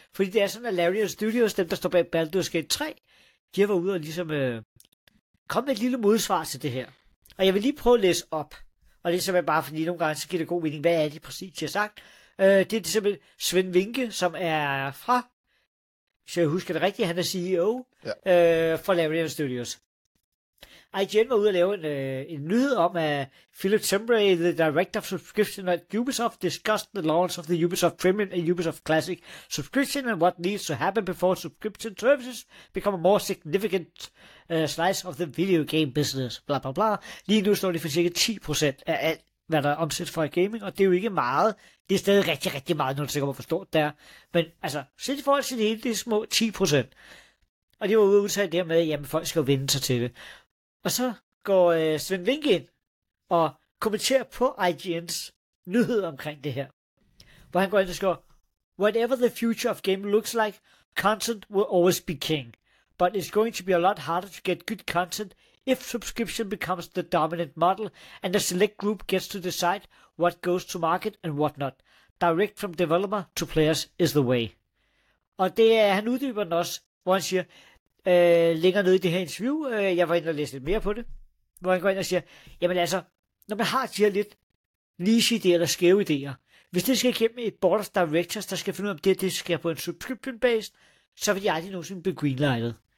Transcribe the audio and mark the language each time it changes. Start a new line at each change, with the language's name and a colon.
Danish: Fordi det er sådan, at Larian Studios, dem der står bag Baldur's Gate 3, de var ude og ligesom kom med et lille modsvar til det her. Og jeg vil lige prøve at læse op, og det er simpelthen bare, fordi nogle gange, så giver det god mening, hvad er det præcis, jeg har sagt. Det er simpelthen Svend Vinke, som er fra, hvis jeg husker det rigtigt, han er CEO, ja. For Larian Studios. IGN var ude at lave en nyhed om, at Philip Tembray,
English: the director of subscription at Ubisoft, discussed the launch of the Ubisoft Premium and Ubisoft Classic subscription and what needs to happen before subscription services become a more significant slice of the video game business, bla bla bla.
Danish: Lige nu står det for cirka 10% af alt, hvad der er omsæt for gaming, og det er jo ikke meget. Det er stadig rigtig, rigtig meget, når du sikkert må forstå det der. Men altså, set i forhold til det hele, det små 10%. Og det var ude at udtale det her med, at folk skal jo vende sig til det. Og så går Svend Vinke ind og kommenterer på IGN's nyhed omkring det her. Hvor han går ind og skriver,
English: whatever the future of game looks like, content will always be king. But it's going to be a lot harder to get good content if subscription becomes the dominant model and a select group gets to decide what goes to market and what not. Direct from developer to players is the way.
Danish: Og det er han uddyber den også, hvor han siger, længere nede i det her interview, jeg var inde og læste lidt mere på det, hvor han går ind og siger, jamen altså, når man har de her lidt niche idéer eller skæve idéer, hvis det skal igennem et
English: board of directors,
Danish: der skal finde ud af, om det skal på en subscription-based, så vil de aldrig nogensinde blive greenlightet.